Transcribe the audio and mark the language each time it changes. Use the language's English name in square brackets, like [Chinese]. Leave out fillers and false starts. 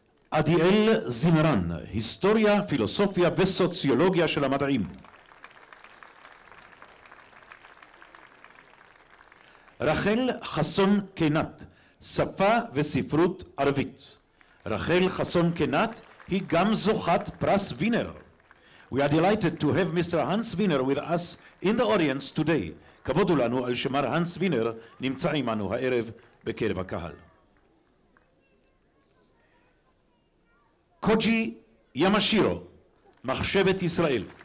[Hebrew] עדיאל זימרן, היסטוריה, פילוסופיה וסוציולוגיה של המדעים. רחל חסון קנת, שפה וספרות ערבית. רחל חסון קנת היא גם זוכת פרס וינר. [English] We are delighted to have Mr. Hans Wiener with us in the audience today. [Hebrew] כבודו לנו על שמר הנס וינר נמצא עמנו הערב בקרב הקהל. קוג'י ימשירו, מחשבת ישראל.